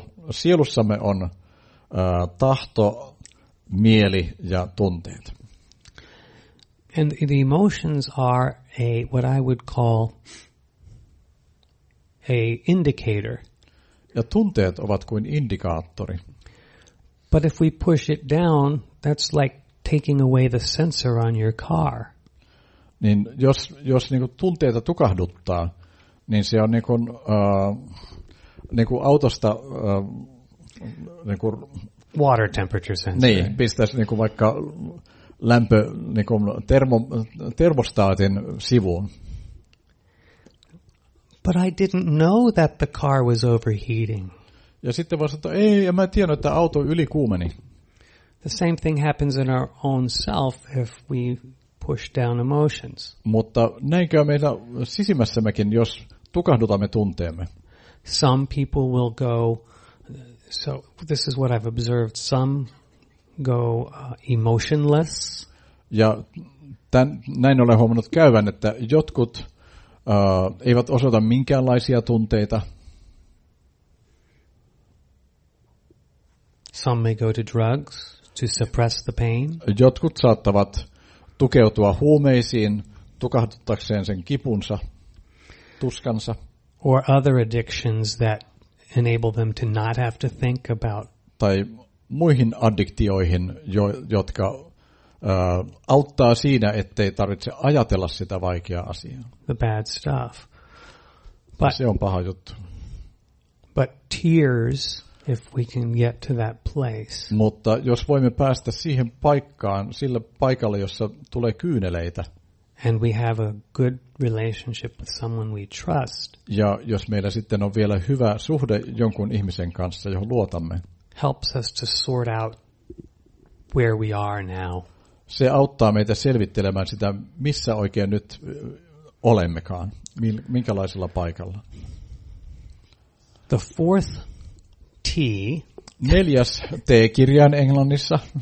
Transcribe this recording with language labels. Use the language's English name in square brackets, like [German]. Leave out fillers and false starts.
[Finnish] Sielussamme on tahto, mieli ja tunteet. [English] And the emotions are a what I would call a indicator. [Finnish] Ja tunteet ovat kuin indikaattori. [English] But if we push it down, that's like taking away the sensor on your car. [Finnish] Niin jos niinku tunteita tukahduttaa, niin se on niinku autosta niinku [English] water temperature sensor. [Finnish] Niin pistäisi niinku vaikka lämpö niinku termostaatin sivuun. [English] But I didn't know that the car was overheating. [Finnish] Ja sitten voisi sanoa, ei, en mä tiennyt, että auto ylikuumeni. [English] The same thing happens in our own self if we push down emotions. [Finnish] Mutta näin käy meillä sisimmässämmekin, jos tukahdutamme tunteemme. [English] Some people will go, so this is what I've observed, some go emotionless. [Finnish] Ja näin olen huomannut käyvän, että jotkut eivät osoita minkäänlaisia tunteita. [English] Some may go to drugs to suppress the pain. [Finnish] Jotkut saattavat tukeutua huumeisiin, tukahduttakseen sen kipunsa, tuskansa. [English] Or other addictions that enable them to not have to think about [Finnish] tai muihin addiktioihin, jotka auttaa siinä, ettei tarvitse ajatella sitä vaikeaa asiaa. [English] The bad stuff. [Finnish] But, se on paha juttu. [English] But tears, if we can get to that place. [Finnish] Mutta jos voimme päästä siihen paikkaan, sille paikalle, jossa tulee kyyneleitä. [English] And we have a good relationship with someone we trust. [Finnish] Ja jos meillä sitten on vielä hyvä suhde jonkun ihmisen kanssa, johon luotamme. [English] Helps us to sort out where we are now. [Finnish] Se auttaa meitä selvittelemään sitä, missä oikein nyt olemmekaan, minkälaisella paikalla. [English] The fourth T. [Finnish] Neljäs T-kirjain englannissa.